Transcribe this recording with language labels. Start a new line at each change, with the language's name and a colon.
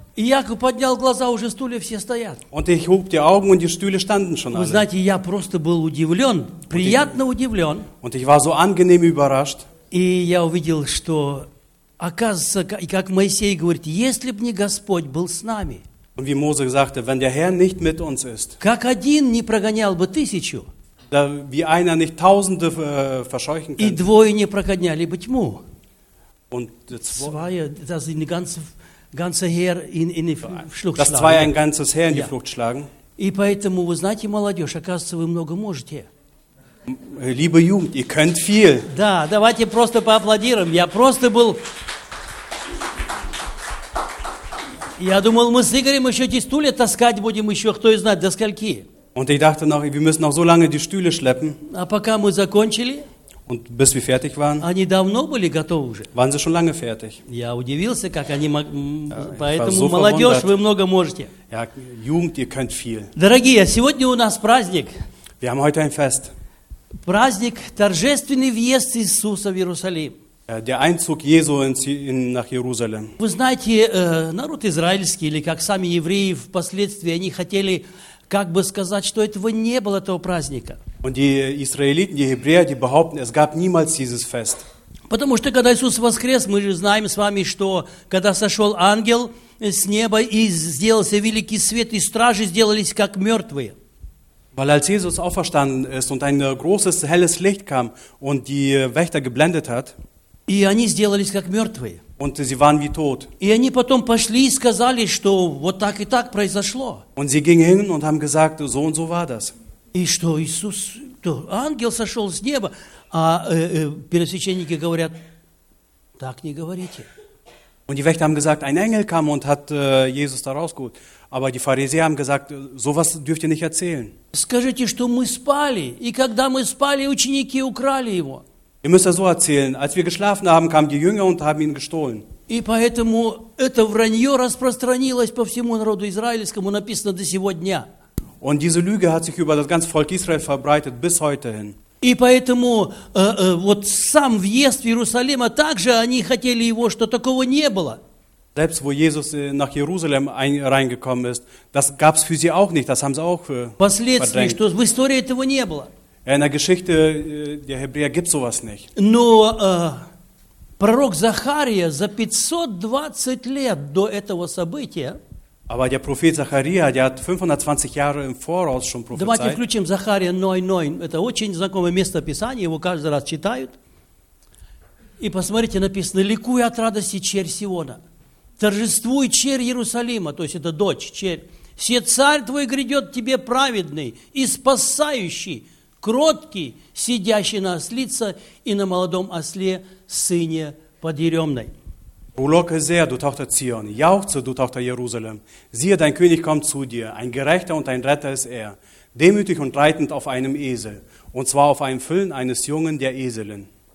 Russian: И Яков поднял глаза, уже стулья все стоят.
German: Und ich hob die Augen und die Stühle standen schon alle.
Russian: Вы знаете, я просто был удивлен, приятно удивлен.
German: Und ich war so angenehm überrascht.
Russian: И я увидел, что оказывается, как Моисей говорит, если бы не Господь был с нами.
German: Und wie Mose sagte, wenn der Herr nicht mit uns ist.
Russian: Как один не прогонял бы тысячу.
German: Da, wie einer nicht tausende verscheuchen könnte.
Russian: И двое не прогоняли бы тьму.
German: Und das in die ganze ganze Heer in die Flucht schlagen. Dass zwei ein ganzes Heer in die Flucht schlagen.
Russian: И поэтому, вы знаете, молодежь, оказывается, вы много можете.
German: Liebe Jugend, ihr könnt viel.
Russian: Да, давайте просто поаплодируем. Я просто был... Я думал, мы с Игорем еще эти стулья таскать будем еще, кто и знает, до скольки.
German: Und ich dachte noch, wir müssen noch so lange die Stühle schleppen.
Russian: А пока мы закончили...
German: Und bis wir fertig waren,
Russian: они давно были готовы уже.
German: Waren sie schon lange fertig.
Russian: Я удивился, как они... Поэтому, so молодежь,
German: verwundert.
Russian: Вы много можете.
German: Ja, Jugend, ihr könnt viel.
Russian: Дорогие, сегодня у нас праздник.
German: Wir haben heute ein Fest.
Russian: Праздник, торжественный въезд Иисуса в Иерусалим.
German: Der Einzug Jesu nach Jerusalem.
Russian: Вы знаете, народ израильский, или как сами евреи впоследствии, они хотели как бы сказать, что этого не было, этого праздника.
German: Und die Israeliten, die Hebräer, die behaupten, es gab niemals dieses Fest.
Russian: Потому что, когда Иисус воскрес, мы же знаем с вами, что когда сошел ангел с неба и сделался великий свет, и стражи сделались как мертвые.
German: Weil als Jesus auferstanden ist und ein großes, helles Licht kam und die Wächter geblendet hat,
Russian: и они сделались как мертвые.
German: Und sie waren wie tot.
Russian: И они потом пошли и сказали, что вот так и так произошло.
German: Und sie gingen hin und haben gesagt, so und so war das.
Russian: И что Иисус, то ангел сошел с неба, а первосвященники говорят, так не говорите.
German: Und die Wächter haben gesagt, ein Engel kam und hat Jesus da rausgeholt. Aber die Pharisäer haben gesagt, sowas dürft ihr nicht erzählen.
Russian: Скажите, что мы спали, и когда мы спали, ученики украли его.
German: Ihr müsst das so erzählen. Als wir geschlafen haben, kamen die Jünger und haben ihn gestohlen.
Russian: И поэтому это вранье распространилось по всему народу израильскому, написано до сего дня.
German: Und diese Lüge hat sich über das ganze Volk Israel verbreitet bis heute hin.
Russian: И поэтому вот сам въезд в Иерусалим, а также они хотели его, что такого не было.
German: Selbst wo Jesus nach Jerusalem reingekommen ist, das gab's für sie auch nicht. Das haben sie auch verdrängt.
Russian: Последствия, что в истории этого не было.
German: In der Geschichte der Hebräer gibt sowas nicht.
Russian: Но пророк Захария за 520 лет до этого события.
German: Aber der Prophet Zachariah, der hat 520 Jahre im Voraus schon prophezeit.
Russian: Давайте включим Захария 9:9. Это очень знакомое место Писания, его каждый раз читают. И посмотрите, написано: «Ликуй от радости, черь Сиона, торжествуй, черь Иерусалима», то есть это дочь, черь. «Се царь твой грядет тебе праведный и спасающий, кроткий, сидящий на ослице и на молодом осле, сыне подъеремной».
German: O locke sehr, du Tochter Zion, jauchze, du Tochter Jerusalem. Siehe, dein König kommt zu dir, ein Gerechter und ein Retter ist er, demütig und reitend auf einem Esel, und zwar auf einem Füllen eines Jungen der Eselin.